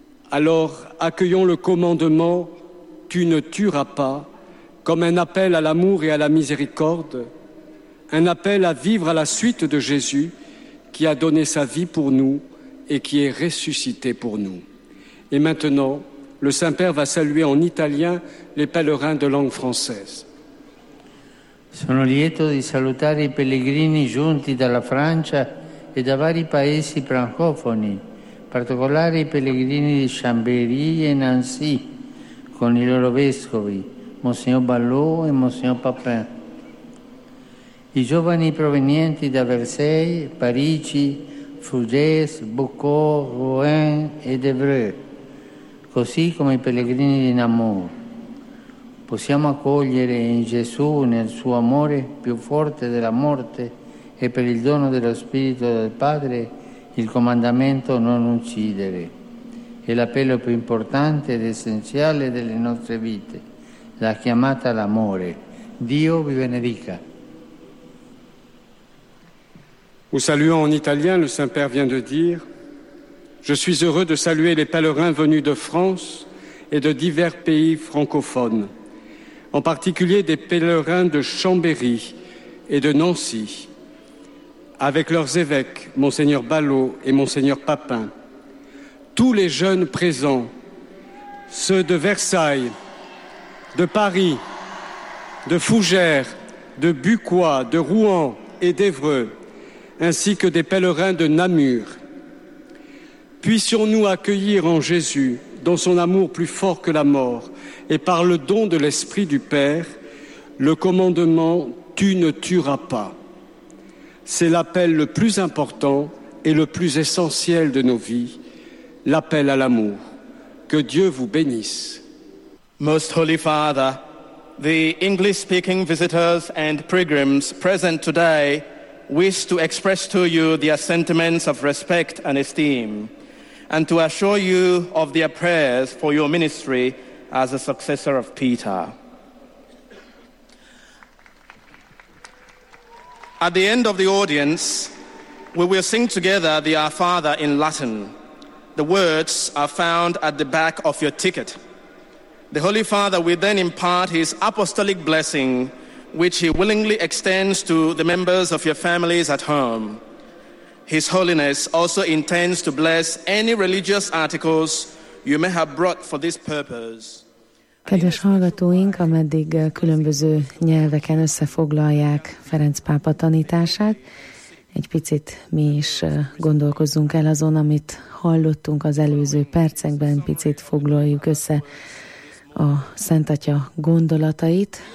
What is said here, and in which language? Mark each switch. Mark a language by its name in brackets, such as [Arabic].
[French] Alors, accueillons le commandement « Tu ne tueras pas » comme un appel à l'amour et à la miséricorde, un appel à vivre à la suite de Jésus qui a donné sa vie pour nous et qui est ressuscité pour nous. Et maintenant, le Saint-Père va saluer en italien les pèlerins de langue française. [Italian] Sono lieto di salutare i pellegrini giunti dalla Francia e da vari paesi francofoni. Particolari i pellegrini di Chambéry e Nancy, con i loro vescovi, Monsignor Ballot e Monsignor Papin. I giovani provenienti da Versailles, Parigi, Fougères, Beaucourt, Rouen e Évreux, così come i pellegrini di Namur. Possiamo accogliere in Gesù, nel suo amore più forte della morte e per il dono dello Spirito del Padre, il comandamento non uccidere. è l'appello più importante ed essenziale delle nostre vite, la chiamata all'amore. Dio vi benedica. [French] Au saluant en italien, le Saint-Père vient de dire: Je suis heureux de saluer les pèlerins venus de France et de divers pays francophones, en particulier des pèlerins de Chambéry et de Nancy, avec leurs évêques, Mgr Ballot et Mgr Papin, tous les jeunes présents, ceux de Versailles, de Paris, de Fougères, de Bucquois, de Rouen et d'Évreux, ainsi que des pèlerins de Namur. Puissions-nous accueillir en Jésus, dans son amour plus fort que la mort, et par le don de l'Esprit du Père, le commandement « Tu ne tueras pas ». C'est l'appel le plus important et le plus essentiel de nos vies, l'appel à l'amour. Que Dieu vous bénisse. [English] Most Holy Father, the English-speaking visitors and pilgrims present today wish to express to you their sentiments of respect and esteem, and to assure you of their prayers for your ministry as a successor of Peter. At the end of the audience, we will sing together the Our Father in Latin. The words are found at the back of your ticket. The Holy Father will then impart his apostolic blessing, which he willingly extends to the members of your families at home. His Holiness also intends to bless any religious articles you may have brought for this purpose. [Hungarian] Kedves hallgatóink, ameddig különböző nyelveken összefoglalják Ferenc pápa tanítását, egy picit mi is gondolkozzunk el azon, amit hallottunk az előző percekben, picit foglaljuk össze a Szentatya gondolatait.